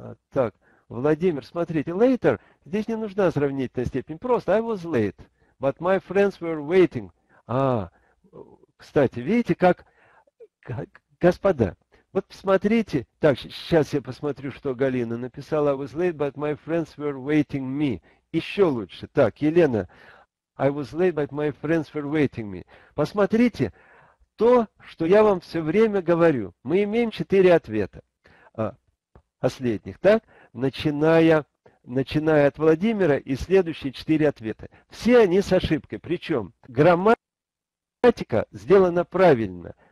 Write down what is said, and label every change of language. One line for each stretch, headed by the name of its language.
Russian: Так, Владимир, смотрите, later, здесь не нужна сравнительная степень, просто
English: I was late, but my friends were waiting.
Russian: А, кстати, видите, как, господа, вот посмотрите, так, сейчас я посмотрю, что Галина написала,
English: I was late, but my friends were waiting me.
Russian: Еще лучше, так,
English: Елена, I was late, but my friends were waiting me.
Russian: Посмотрите, то, что я вам все время говорю, мы имеем 4 ответа. Последних, так? Начиная от Владимира и следующие 4 ответа. Все они с ошибкой. Причем грамматика сделана правильно.